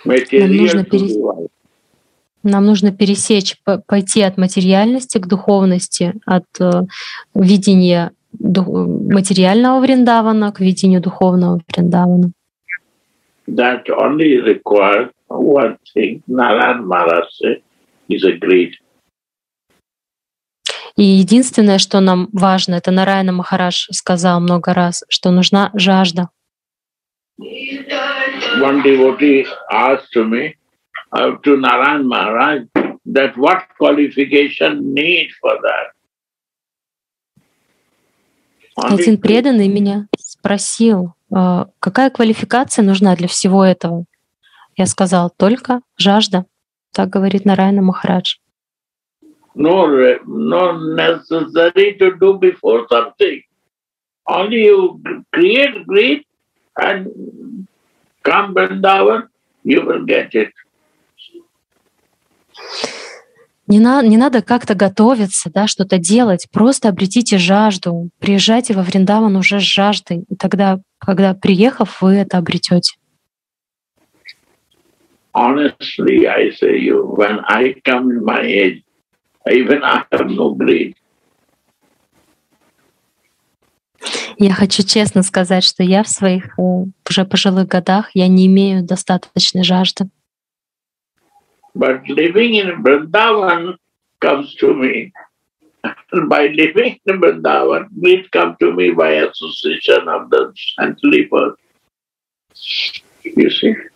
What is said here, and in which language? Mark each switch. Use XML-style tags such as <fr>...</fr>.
<ru>Нам нужно пересечь, пойти от материальности к духовности, от видения материального Вриндавана к видению духовного Вриндавана.</ru> <en>That only requires one thing. Narayan Maharaja is agreed.</en> <ru>И единственное, что нам важно, это Нараяна Махарадж сказал много раз, что нужна жажда.</ru> <en>One devotee asked to me, to Narayan Maharaj, that what qualification need for that?</en> <ru>Один преданный меня спросил, какая квалификация нужна для всего этого? Я сказал, только жажда. Так говорит Нараяна Махарадж.</ru> <en>No necessary to do before something. Only you create greed and come Vrindavan, you will get it.</en> <ru>Не надо как-то готовиться, да, что-то делать. Просто обретите жажду. Приезжайте во Вриндаван уже с жаждой. И тогда, когда приехав, вы это обретете.</ru> <en>Honestly, I say you, when I come in my age, even I have no greed.</en> <ru>Я хочу честно сказать, что я в своих уже пожилых годах я не имею достаточной жажды.</ru> <en>But living in Vrindavan comes to me. By living in Vrindavan, it comes to me by association of the saintly birth. You see?</en>